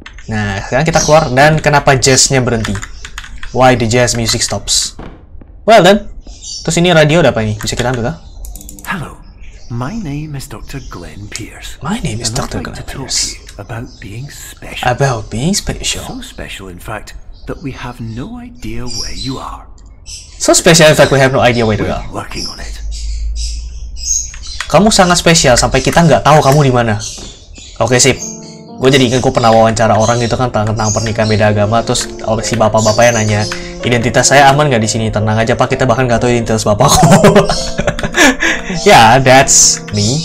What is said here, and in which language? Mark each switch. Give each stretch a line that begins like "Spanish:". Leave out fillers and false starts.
Indonesian: Nah, sekarang kita keluar dan kenapa jazznya berhenti?
English: Why the jazz music stops? Well then,
Indonesian: terus ini radio ada apa ini? Bisa kita ambil kah?
English: Hello, my name is Dr. Glenn Pierce. My name is Dr. Glenn Pierce. And I'd like to talk to you about being special. About being special. So special, in fact, that we have no idea where you are. So special, in fact, we have no idea where you are. We're working on it.
Indonesian: Kamu sangat spesial sampai kita nggak tahu kamu di mana. Oke sip. Gue jadi ingat gue pernah wawancara orang gitu kan tentang pernikahan beda agama, terus si bapak-bapak yang nanya identitas saya aman nggak di sini. Tenang aja pak, kita bahkan nggak tahu identitas bapakku. Ya
English: yeah, that's me.